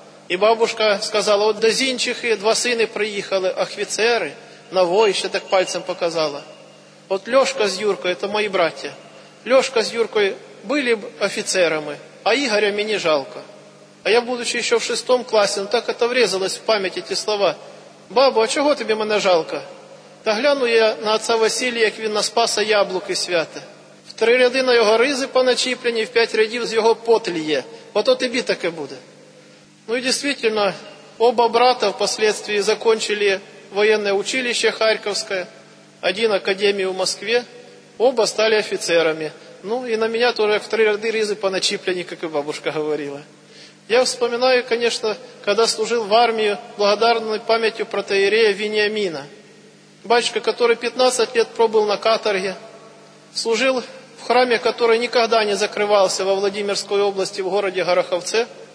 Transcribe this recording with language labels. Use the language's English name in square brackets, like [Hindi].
[Russian] И бабушка сказала: «Вот дозинчихи, 2 сына приехали, офицеры, на войще», так пальцем показала. «Вот Лешка с Юркой, это мои братья, Лешка с Юркой были бы офицерами, а Игоря мне жалко». А я, будучи еще в 6 классе, ну так это врезалось в память эти слова. «Бабу, а чего тебе мне жалко?» [Ukrainian] «Та гляну я на отца Василия, як він на спаса яблуки святе. 3 ряди на його ризи поначіплені, в 5 рядів з його потліє. Ото тобі таке буде». Ну і дійсно, оба брата впоследствии закончили воєнне училище Харківське, один академію в Москві, оба стали офіцерами. Ну і на мене теж як 3 ряди ризи поначіплені, як і бабушка говорила. [Russian] Я вспоминаю, конечно, когда служил в армию, благодарной памятью протоиерея Вениамина, батюшка, который 15 лет пробыл на каторге, служил в храме, который никогда не закрывался во Владимирской области, в городе Гороховце.